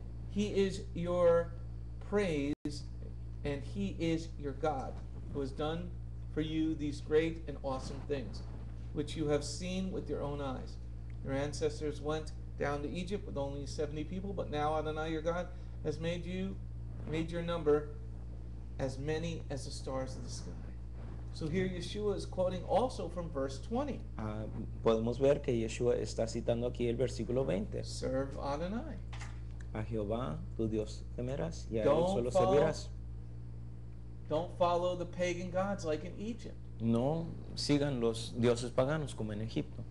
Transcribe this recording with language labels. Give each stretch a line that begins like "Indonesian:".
English: He is your praise, and he is your God, who has done for you these great and awesome things, which you have seen with your own eyes. Your ancestors went down to Egypt with only 70 people, but now Adonai your God has made your number as many as the stars of the sky. So here Yeshua is quoting also from verse 20.
Spanish: Podemos ver que Yeshua está citando aquí el versículo 20.
English: Serve Adonai.
Spanish: A Jehová, tu Dios temerás, y a él solo servirás.
English: Don't follow the pagan gods like in Egypt.
Spanish: No sigan los dioses paganos como en Egipto.